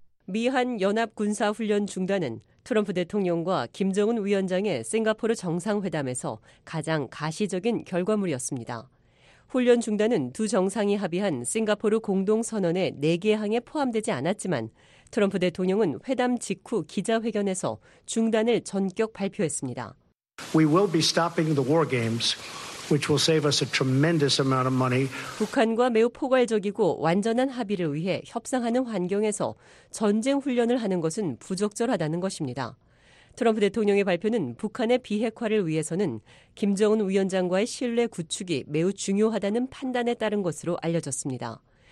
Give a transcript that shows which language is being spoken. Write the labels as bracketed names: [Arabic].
[Korean] 미한연합군사훈련 중단은 트럼프 대통령과 김정은 위원장의 싱가포르 정상회담에서 가장 가시적인 결과물이었습니다. 훈련 중단은 두 정상이 합의한 싱가포르 공동선언의 4개 항에 포함되지 않았지만 트럼프 대통령은 회담 직후 기자회견에서 중단을 전격 발표했습니다. [English] We will be stopping the war games, which will save us a tremendous amount of money. [Korean] 북한과 매우 포괄적이고 완전한 합의를 위해 협상하는 환경에서 전쟁 훈련을 하는 것은 부적절하다는 것입니다. 트럼프 대통령의 발표는 북한의 비핵화를 위해서는 김정은 위원장과의 신뢰 구축이 매우 중요하다는 판단에 따른 것으로 알려졌습니다.